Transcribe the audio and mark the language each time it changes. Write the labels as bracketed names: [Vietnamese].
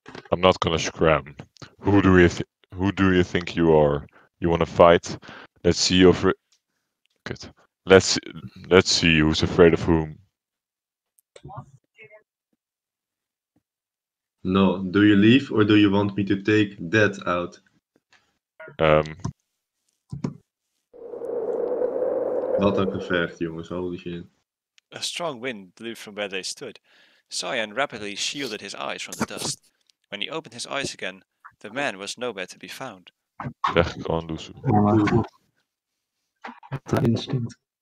[English] I'm not gonna scram. Who do you think you are? You wanna fight? Let's see your... Good. Let's see who's afraid of whom. No, do you leave or do you want me to take that out? [Dutch] Wat een gevecht, jongens, [English] holy shit. A strong wind blew from where they stood. Cyan rapidly shielded his eyes from the dust. When he opened his eyes again, the man was nowhere to be found. [Dutch] Weg gewoon, Lusu. Dat instinct.